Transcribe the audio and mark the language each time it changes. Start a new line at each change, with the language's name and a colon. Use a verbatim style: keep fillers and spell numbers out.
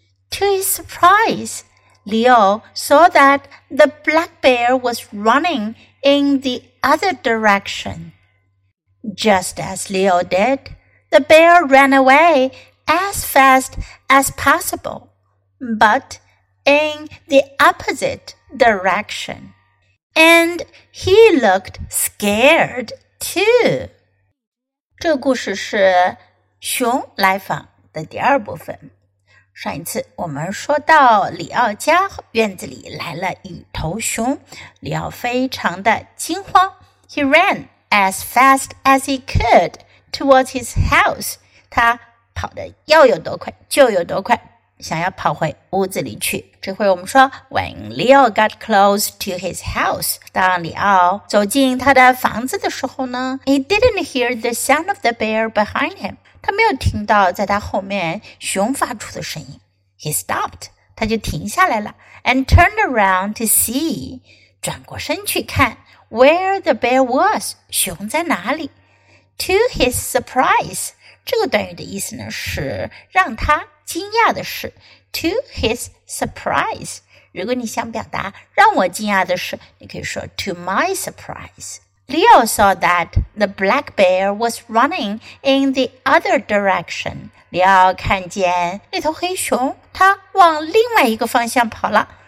English: To his surprise,Liol saw that the black bear was running in the other direction. Just as Liol did, the bear ran away as fast as possible, but in the opposite direction. And he looked scared too.
Chinese: 这故事是熊来访的第二部分。上一次我们说到里奥家院子里来了一头熊，里奥非常的惊慌。
English: He ran as fast as he could towards his house.
Chinese: 他跑得要有多快就有多快，想要跑回屋子里去。这回我们说
English: When Leo got close to his house,
Chinese: 当里奥走进他的房子的时候呢
English: He didn't hear the sound of the bear behind him.
Chinese: 他没有听到在他后面熊发出的声音。
English: He stopped.
Chinese: 他就停下来了
English: and turned around to see.
Chinese: 转过身去看
English: where the bear was.
Chinese: 熊在哪里
English: To his surprise.
Chinese: 这个短语的意思呢是让他惊讶的是
English: To his surprise.
Chinese: 如果你想表达让我惊讶的是你可以说
English: To my surprise. Leo saw that the black bear was running in the other direction.
Chinese: Leo 看见那头黑熊，它往另外一个方向跑了。